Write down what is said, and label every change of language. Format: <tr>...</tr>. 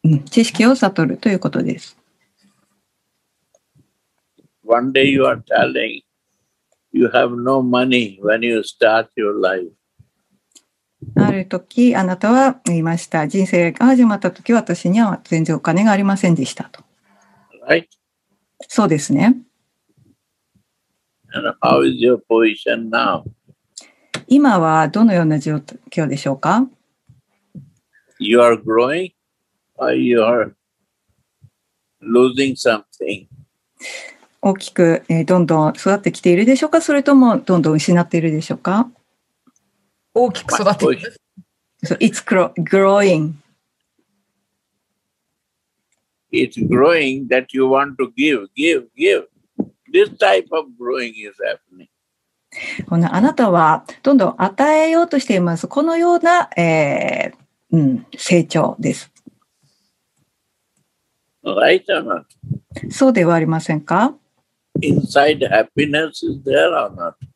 <ja>知識を悟るということです。</ja> <en>One day you are telling you have no money when you start your life.</en> <ja>ある時あなたは言いました。人生が始まった時私には全然お金がありませんでしたと、</ja> <en>right.</en> <ja>そうですね。</ja> <en>And how is your position now?</en> <ja>今はどのような状況でしょうか。</ja> <en>You are growing or you are losing something?</en> <ja>大きく、どんどん育ってきているでしょうか、それともどんどん失っているでしょうか。大きく育てる。</ja> <en>So it's growing. It's growing that you want to give, give, give. This type of growing is happening.</en> <ja>このあなたはどんどん与えようとしています。このような、成長です。</ja> <en>Right or not?</en> <ja>そうではありませんか?</ja> <en>Inside happiness is there or not?</en>